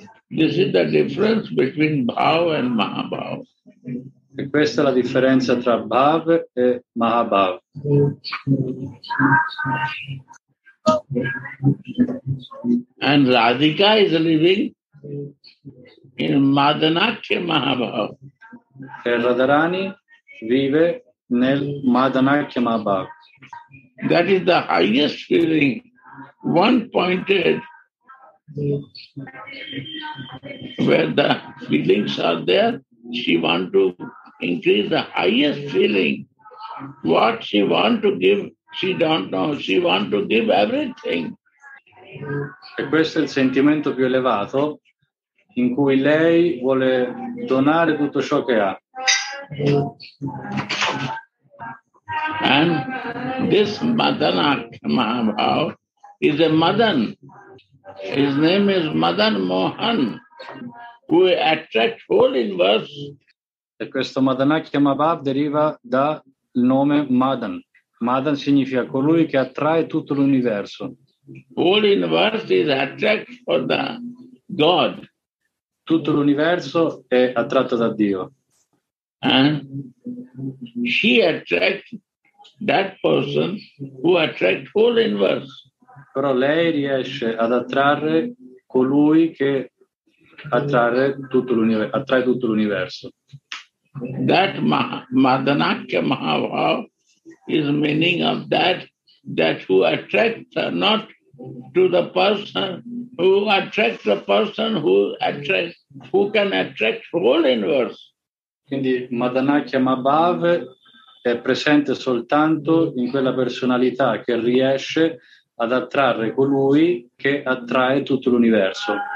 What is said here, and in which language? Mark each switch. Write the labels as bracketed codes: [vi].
[en] This is the difference between Bhav and Mahabhav. [it] E questa è la differenza tra Bhav e Mahabhav. [en] And Radhika is living in Madanakya Mahabhav. [it] E Radharani vive nel Madanakya Mahabhav. [en] That is the highest feeling, one-pointed, where the feelings are there. She want to increase the highest feeling. What she want to give, she don't know. She want to give everything. [it] E questo è il sentimento più elevato, in cui lei vuole donare tutto ciò che ha. [en] And this Madanakya Mahabhav is a Madan. His name is Madan Mohan, who attracts whole universe. [it] E questo Madanakya Mahabhav deriva dal nome Madan. Madan significa colui che attrae tutto l'universo. [en] Whole universe is attracted for the God. [it] Tutto l'universo è attratto da Dio. [en] And she attracts that person who attracts whole universe. [it] Però lei riesce ad attrarre colui che attrarre tutto l'universo, attrae tutto l'universo. [en] That Madanakya Mahabhav is meaning of that who attracts not to the person who attracts the person who attracts, who can attract whole universe. [it] Quindi Madanakya Mahabhav è presente soltanto in quella personalità che riesce ad attrarre colui che attrae tutto l'universo.